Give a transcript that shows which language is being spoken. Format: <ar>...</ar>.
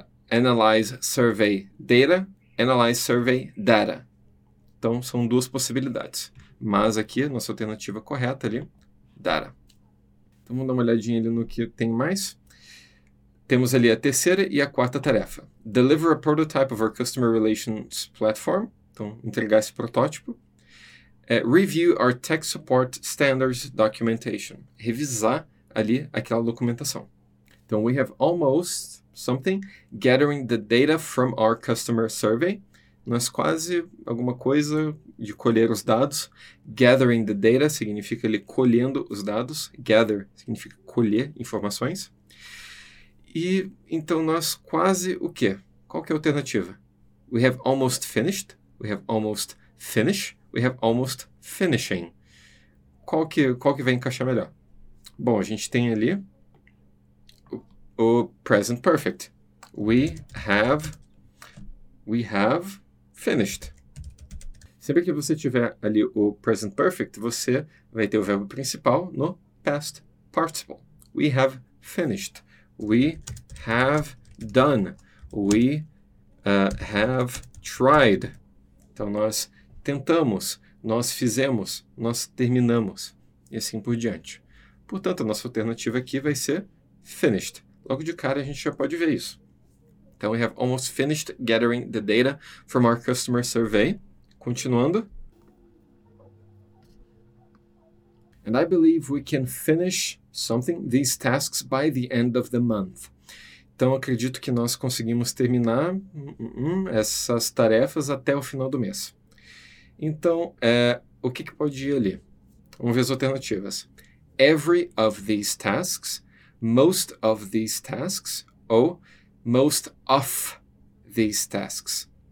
<en>Analyze survey data, analyze survey data.</en> <pt>Então, são duas possibilidades. Mas aqui, nossa alternativa correta ali, data. Então vamos dar uma olhadinha ali no que tem mais. Temos ali a terceira e a quarta tarefa. Deliver a prototype of our customer relations platform.</pt> <en>Então, entregar esse protótipo. Review our tech support standards documentation. Revisar ali aquela documentação. Então, we have almost something gathering the data from our customer survey.</en> <pt>Nós quase alguma coisa de colher os dados. Gathering the data significa ele colhendo os dados. Gather significa colher informações. E então nós quase o quê? Qual que é a alternativa?</pt> <en>We have almost finished. We have almost finished. We have almost finishing.</en> <pt>qual que vai encaixar melhor? Bom, a gente tem ali o present perfect.</pt> <en>We have finished.</en> <pt>Sempre que você tiver ali o present perfect, você vai ter o verbo principal no past participle.</pt> <en>We have finished. We have done. We have tried.</en> <pt>Então, nós tentamos, nós fizemos, nós terminamos e assim por diante. Portanto, a nossa alternativa aqui vai ser finished. Logo de cara, a gente já pode ver isso.</pt> <en>Então, we have almost finished gathering the data from our customer survey. Continuando. And I believe we can finish something, these tasks, by the end of the month.</en> <pt>Então, acredito que nós conseguimos terminar essas tarefas até o final do mês. Então, o que que pode ir ali? Vamos ver as alternativas.</pt> <en>Every of these tasks, most of these tasks, ou most of these tasks.</en>